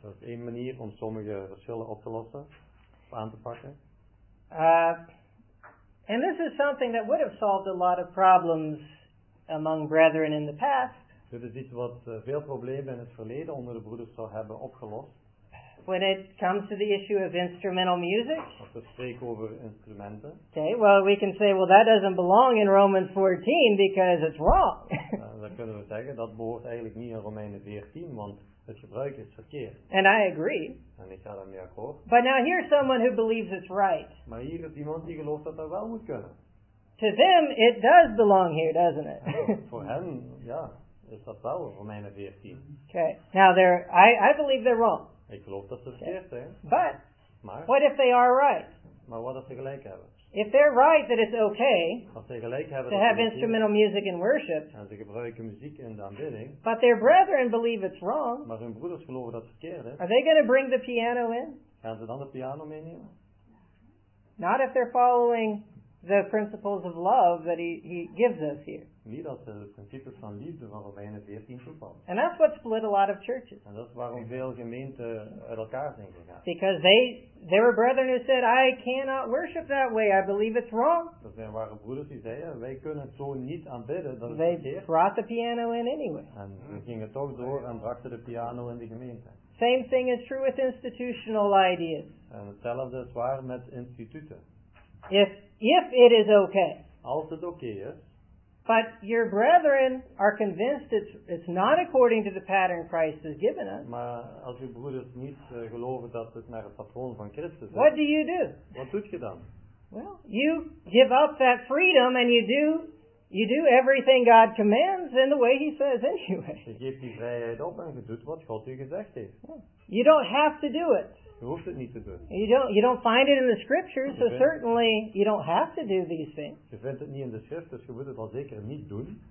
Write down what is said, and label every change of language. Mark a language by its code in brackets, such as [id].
[nl] Dat is één manier om sommige verschillen op te lossen, of aan te pakken. [en] And this is something that would have solved a lot of problems among brethren in the past. [nl] Dit is iets wat veel problemen in het verleden onder de broeders zou hebben opgelost. [en] When it comes to the issue of instrumental music. [nl] Als we spreken over instrumenten. [en] Okay, well we can say, well that doesn't belong in Romans 14 because it's wrong. [nl] Dan kunnen we zeggen, dat behoort eigenlijk niet in Romeinen 14, want het gebruik is verkeerd. [en] And I agree. [nl] En ik ga daarmee akkoord. [en] But now here's someone who believes it's right. [nl] Maar hier is iemand die gelooft dat dat wel moet kunnen. [en] To them it does belong here, doesn't it? [nl] Voor hen, ja, is dat wel Romeinen 14. [en] Okay, now I believe they're wrong. [nl] Ik geloof dat ze verkeerd zijn. [en] But, [nl] maar, [en] what if they are right? [nl] Maar wat als ze gelijk hebben? [en] If they're right that it's okay [nl] als ze gelijk hebben, [en] to have instrumental music in worship, [nl] en ze gebruiken muziek in de aanbidding, [en] but their brethren believe it's wrong, [nl] maar hun broeders geloven dat het verkeerd is, [en] are they going to bring the piano in? [nl] Gaan ze dan de piano meenemen? [en] Not if they're following the principles of love that he gives us here. [nl] Niet als ze de principes van liefde van Romeinen 14 toepassen. [en] And that's what split a lot of churches. [nl] En dat is waarom veel gemeenten uit elkaar zijn gegaan. [en] Because there were brethren who said, I cannot worship that way. I believe it's wrong. [nl] Dat zijn waren broeders die zeiden, wij kunnen het zo niet aanbidden. Dat [en] they brought the piano in anyway. [nl] En ze gingen toch door en brachten de piano in de gemeente. [en] Same thing is true with institutional ideas. [nl] En hetzelfde is waar met instituten. [en] If it is okay. [nl] Als het okay is. [en] But your brethren are convinced it's not according to the pattern Christ has given us. [nl] Maar als uw broeders niet geloven dat het naar het patroon van Christus is. [en] What do you do? [nl] Wat doet je dan? [en] Well, you give up that freedom and you do everything God commands in the way he says anyway. [nl] Je geeft die vrijheid op en je doet wat God u gezegd heeft. [en] You don't have to do it. [nl] Je hoeft het niet te doen. [en] You don't find it in the scriptures, so certainly you don't have to do these things. [nl] Je vindt het niet in de schrift, dus je moet het wel zeker niet doen.